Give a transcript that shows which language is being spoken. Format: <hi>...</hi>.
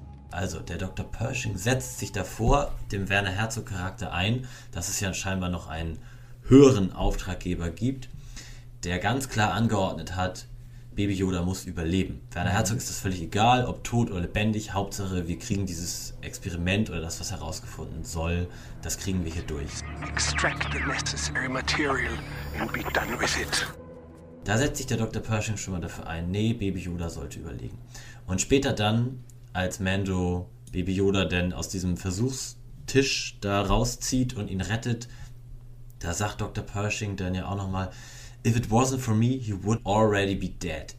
<de>Also, der Dr. Pershing setzt sich davor, dem Werner Herzog-Charakter ein, dass es ja scheinbar noch einen höheren Auftraggeber gibt, der ganz klar angeordnet hat, Baby Yoda muss überleben. Werner Herzog ist es völlig egal, ob tot oder lebendig, Hauptsache wir kriegen dieses Experiment oder das, was herausgefunden soll, das kriegen wir hier durch.</de> <en>Extract the necessary material and be done with it.</en> <de>Da setzt sich der Dr. Pershing schon mal dafür ein, nee, Baby Yoda sollte überlegen. Und später dann, als Mando Baby Yoda denn aus diesem Versuchstisch da rauszieht und ihn rettet, da sagt Dr. Pershing dann ja auch nochmal,</de> <en>if it wasn't for me, you would already be dead.</en>